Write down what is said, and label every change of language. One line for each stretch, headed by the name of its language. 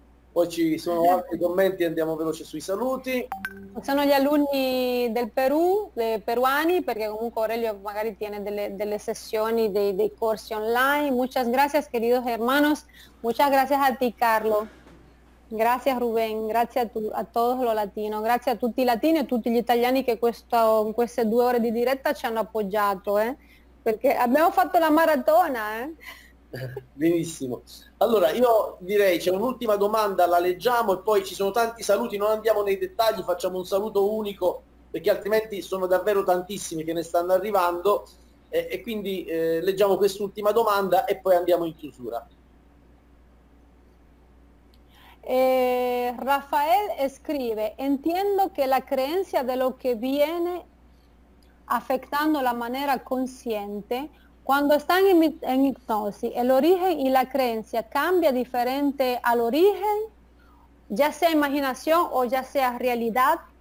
Italian: Poi ci sono altri commenti, andiamo veloce sui saluti. Sono gli alunni del Perù, dei peruani, perché comunque Aurelio magari tiene delle sessioni, dei corsi online.
Spanish: Muchas gracias, queridos hermanos. Muchas gracias a ti, Carlo.
Italian: Grazie Rubén, grazie a tutti lo latino, grazie a tutti i latini e a tutti gli italiani che in queste 2 ore di diretta ci hanno appoggiato, perché abbiamo fatto la maratona, Benissimo. Allora, io direi c'è un'ultima domanda, la leggiamo e poi ci sono tanti saluti, non andiamo nei dettagli, facciamo un saluto unico perché altrimenti sono davvero tantissimi che ne stanno arrivando e quindi leggiamo quest'ultima domanda e poi andiamo in chiusura.
Spanish: Rafael escribe, entiendo que la creencia de lo que viene afectando la manera consciente, cuando están en hipnosis, el origen y la creencia cambia diferente al origen, ya sea imaginación o ya sea realidad.